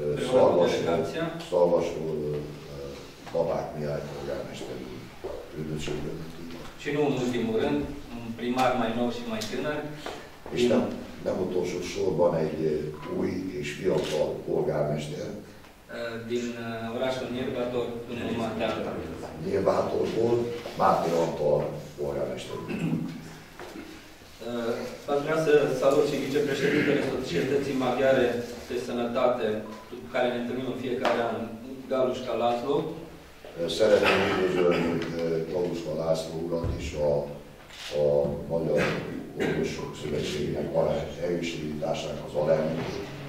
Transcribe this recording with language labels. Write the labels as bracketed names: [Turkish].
[Hungarian] Szarvasról Babák Mihály polgármester úr küldöttségével. [Romanian] Și nu în ultimul rând, un primar mai nou și mai tânăr. [Hungarian] És nem utolsó sorban egy új és fiatal polgármester. [Romanian] Din orașul Nyírbátor, domnul Máté Antal. [Hungarian] Nyírbátorból Máté Antal polgármester úr. [Romanian] Aș vrea să salut și vicepreședintele societății maghiare de sănătate, cu care ne întâlnim în fiecare an, Galuska László. [Hungarian] Szeretném üdvözölni Galuska László urat és a Magyar Orvosok Szövetségének helyisítésének az alelnökét.